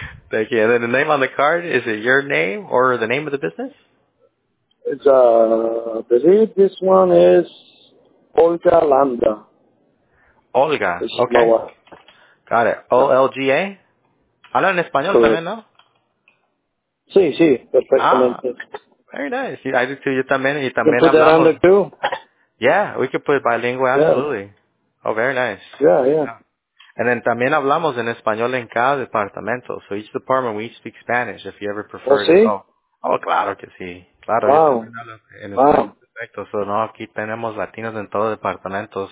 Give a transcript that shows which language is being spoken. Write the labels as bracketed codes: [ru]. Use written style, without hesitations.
[en] Thank you. And then the name on the card, is it your name or the name of the business? It's, I believe this one is Olga Lambda. Olga, it's okay. Noah. Got it. O-L-G-A? [es] Habla en español también, ¿no? Sí, sí, perfectamente. [en] Very nice. I do too. You también. You también. You put that under too. Yeah, we could put it bilingual, absolutely. Yeah. Oh, very nice. Yeah. And then [es] también hablamos en español en cada departamento. [en] So each department, we each speak Spanish if you ever prefer it. Oh, [es] claro que sí. Claro. [en] Wow. [es] So no, aquí tenemos latinos en todo departamento.